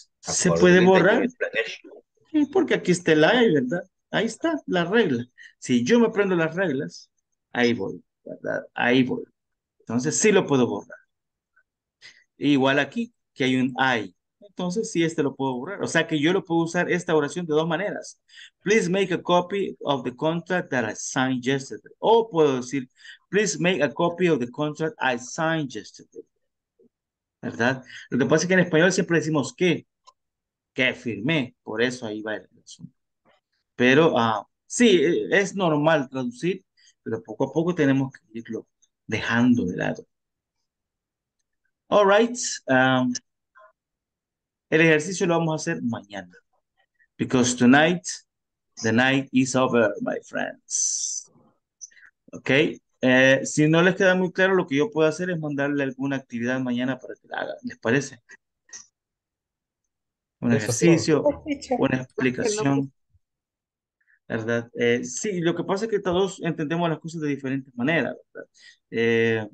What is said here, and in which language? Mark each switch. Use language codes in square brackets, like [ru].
[es] ¿Se puede borrar? Porque aquí está el I, ¿verdad? Ahí está la regla. Si yo me prendo las reglas, ahí voy, ¿verdad? Ahí voy. Entonces, sí lo puedo borrar. Igual aquí, que hay un I. Entonces, sí, este lo puedo borrar. O sea, que yo lo puedo usar esta oración de dos maneras. [en] Please make a copy of the contract that I signed yesterday. [es] O puedo decir, [en] please make a copy of the contract I signed yesterday. [es] ¿Verdad? Lo que pasa es que en español siempre decimos que. Que firmé. Por eso ahí va el asunto. Pero, sí, es normal traducir. Pero poco a poco tenemos que irlo dejando de lado. [en] All right. [es] El ejercicio lo vamos a hacer mañana. [en] Because tonight, the night is over, my friends. Okay? [es] Si no les queda muy claro, lo que yo puedo hacer es mandarle alguna actividad mañana para que la hagan. ¿Les parece? Un ejercicio, una explicación. ¿Verdad? Sí, lo que pasa es que todos entendemos las cosas de diferentes maneras, ¿verdad?